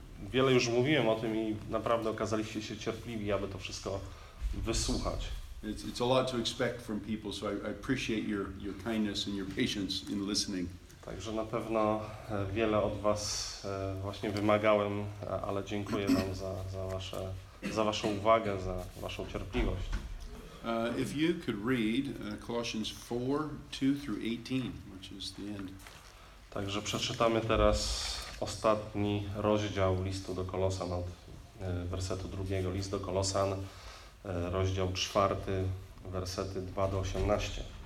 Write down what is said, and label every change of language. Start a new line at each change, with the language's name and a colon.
Polish: Wiele już mówiłem o tym i naprawdę okazaliście się cierpliwi, aby to wszystko wysłuchać.
English: It's a lot to expect from people, so I appreciate your kindness and your patience in listening.
Polish: Także na pewno wiele od was właśnie wymagałem, ale dziękuję wam za waszą uwagę, za waszą cierpliwość.
English: If you could read Colossians 4, 2 through 18, which is the end.
Polish: Także przeczytamy teraz ostatni rozdział listu do Kolosan od wersetu drugiego. List do Kolosan, rozdział 4, wersety 2 do 18.